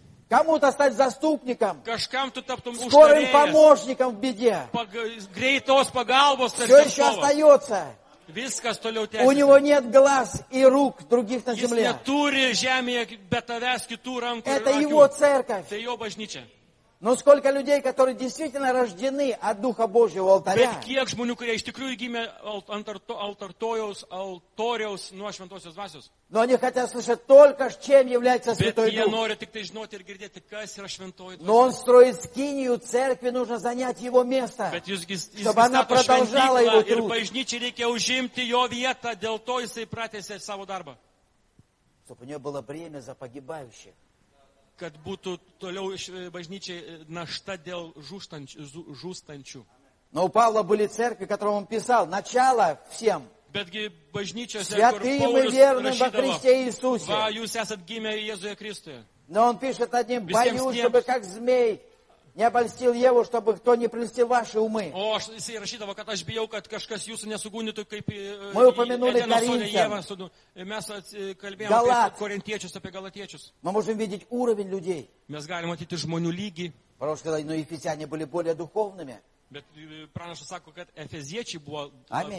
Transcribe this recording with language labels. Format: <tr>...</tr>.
<ru>Кому-то стать заступником. Скорым помощником в беде. Все еще остается.</ru> <lt>Viskas toliau</lt> <ru>у него нет глаз и рук других на земле.</ru> <lt>Jis neturi žemėje be tavęs kitų rankų.</lt> <ru>Это его церковь.</ru> <lt>Tai jo bažnyčia.</lt> <ru>Но сколько людей, которые действительно рождены от Духа Божьего алтаря.</ru> <lt>Bet kiek žmonių, kurie iš tikrųjų gimė altoriaus nuo šventosios dvasios.</lt> <ru>Но они хотят слышать только, чем является Святой Дух.</ru> <lt>Bet jie nori tik tai žinoti ir girdėti, kas yra Šventoji Dvasia.</lt> <ru>Но он строит скинию, церкви нужно занять его место.</ru> <lt>Bet</lt> <ru>чтобы она продолжала его труд.</ru> <lt>Ir bažnyčiai reikia užimti jo vietą, dėl to jisai pratęsė savo darbą.</lt> <ru>Чтобы у нее было бремя за погибающих.</ru> <lt>Kad būtų toliau bažnyčiai našta dėl žūstančių.</lt> <ru>Но у Павла были церкви, которым он писал, начало всем.</ru> <lt>Betgi bažnyčiose,</lt> <ru>святые мы верны во Христе Иисусе.</ru> <lt>Va, jūs esat gimę Jėzuje Kristuje.</lt> <ru>Но он пишет над ним, боюсь, чтобы как змей не обольстил Еву, чтобы кто не прельстил ваши умы.</ru> <lt>О, jisai rašydavo, kad aš bijau, kad kažkas jūsų nesugundytų, kaip</lt> <ru>мы упомянули коринфян.</ru> <lt>Mes kalbėjom Galat. Apie korintiečius, apie galatiečius.</lt> <ru>Мы можем видеть уровень людей.</ru> <lt>Mes galim matyti žmonių lygį.</lt> <ru>Потому что но ефесяне были более духовными.</ru> <lt>Bet pranašas sako, kad efeziečiai buvo Amen.</lt>